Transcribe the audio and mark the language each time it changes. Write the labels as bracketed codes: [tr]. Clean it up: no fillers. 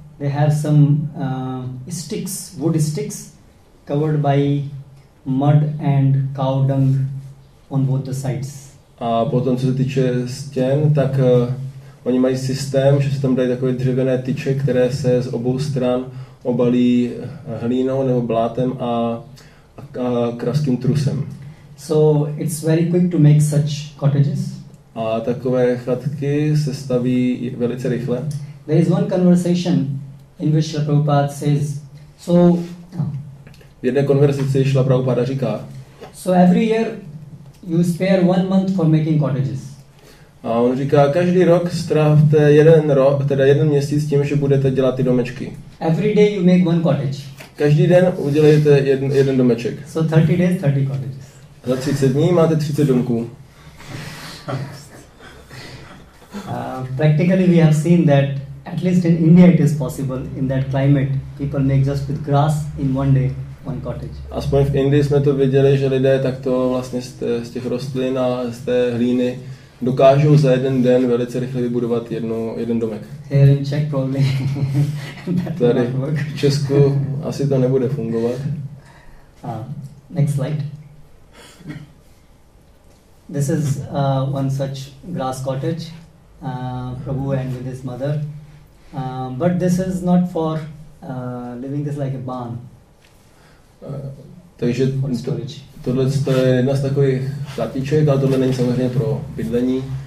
[en] They have some sticks, wood sticks, covered by mud and cow dung on both the sides. [cs] A potom, co se týče stěn, tak oni mají systém, že se tam dají takové dřevěné tyče, které se z obou stran obalí hlínou nebo blátem a kravským trusem. [en] So it's very quick to make such cottages. [cs] A takové chatky se staví velice rychle. [en] There is one conversation in which Srila Prabhupada says, so... [cs] V jedné konverzaci Srila Prabhupada říká, [en] so every year you spare 1 month for making cottages. [cs] A on říká, každý rok strávte jeden rok, teda jeden měsíc tím, že budete dělat ty domečky. [en] Every day you make one cottage. [cs] Každý den udělejte jeden domeček. [en] So 30 days, 30 cottages. [cs] A za 30 dní máte 30 domků. [en] Practically we have seen that at least in India it is possible in that climate people make just with grass in one day one cottage. [cs] Aspoň v Indii jsme to viděli, že lidé takto vlastně z těch rostlin a z té hlíny dokážou za jeden den velice rychle vybudovat jeden domek. [en] Here in Czech probably [cs] tady v Česku asi to nebude fungovat. [en] Next slide. This is one such grass cottage. Prabhu and with his mother. But this is not for living this like a barn. [cs] Takže tohle to je jedna z takových chatiček, ale tohle není samozřejmě pro bydlení.